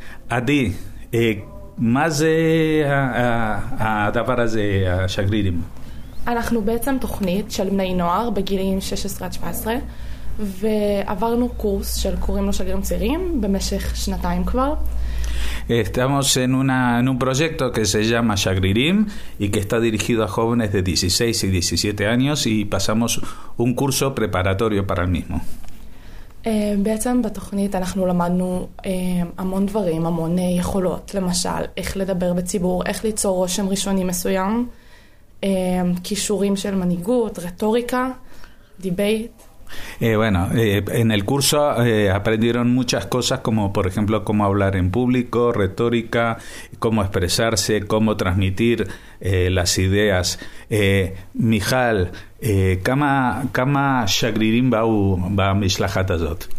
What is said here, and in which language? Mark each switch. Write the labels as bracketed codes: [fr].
[he] Adi, מה זה הדבר הזה, השגרירים? אנחנו בעצם תוכנית של בני נוער בגילים 16-17, ועברנו קורס של קוראים לו שגרירים צעירים במשך שנתיים כבר. [es] Estamos en un proyecto que se llama Shagririm y que está dirigido a jóvenes de 16 y 17 años y pasamos un curso preparatorio para el mismo. [he] בעצם בתוכנית אנחנו למדנו המון דברים, המון יכולות, למשל, איך לדבר בציבור, איך ליצור רושם ראשוני מסוים, כישורים של מנהיגות, רטוריקה, דיבייט. [es] Bueno, en el curso aprendieron muchas cosas como, por ejemplo, cómo hablar en público, retórica, cómo expresarse, cómo transmitir las ideas. [he] Mijal, ¿cama Shagririm va Mishlahat Azot?